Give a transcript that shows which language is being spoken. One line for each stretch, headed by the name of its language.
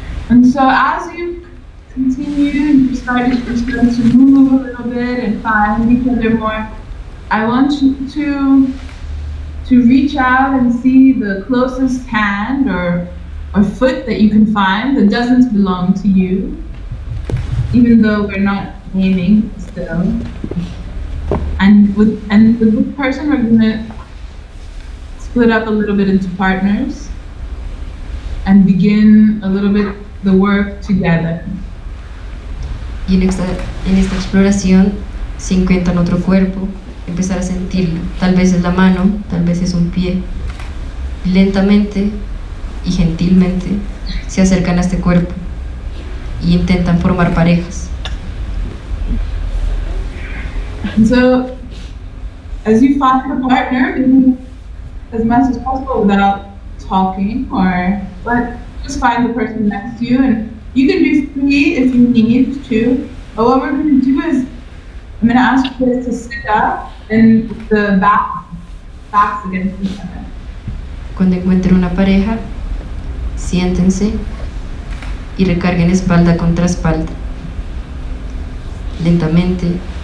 English: And so as you continue and you start to start to move a little bit and find each other more, I want you to reach out and see the closest hand or foot that you can find that doesn't belong to you, even though we're not aiming still. And with the person, we're gonna split up a little bit into partners and begin a little bit the work together.
Spanish: Y en esta exploración, si encuentran otro cuerpo, empezar a sentirlo. Tal vez es la mano, tal vez es un pie. Lentamente y gentilmente se acercan a este cuerpo y intentan formar parejas.
English: And so, as you find a partner, as much as possible without talking or what. Just find the person next to you, and you can be free if you need to. But what we're going to do is, I'm going to ask you guys to sit up, and the backs against each other.
Spanish: Cuando encuentren una pareja, siéntense y recarguen espalda contra espalda, lentamente.